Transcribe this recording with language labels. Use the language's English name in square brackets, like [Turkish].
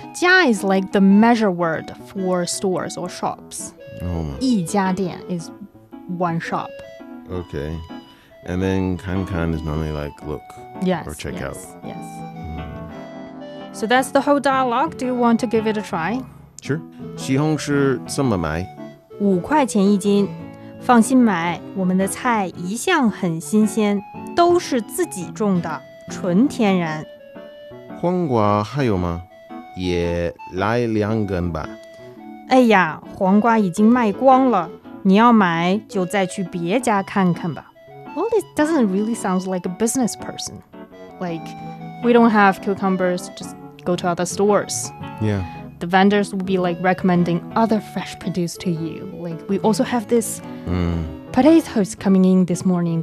[English] 家 is like the measure word for stores or shops. Oh my. [Chinese] 一家店 [English] is one shop. Okay. And then [Chinese] 看看 [English] is normally like look. Yes. Or check out. Yes. So that's the whole dialogue. Do you want to give it a try? Sure. [Chinese] 西红柿怎么买? 5块钱一斤. 放心买, 我们的菜一向很新鲜, 都是自己种的, 纯天然. 黄瓜还有吗? 也来两根吧. 哎呀，黄瓜已经卖光了，你要买就再去别家看看吧。 [English] Well, it doesn't really sound like a business person. Like, we don't have cucumbers, just go to other stores. Yeah. The vendors will be like recommending other fresh produce to you. Like, we also have this potatoes coming in this morning.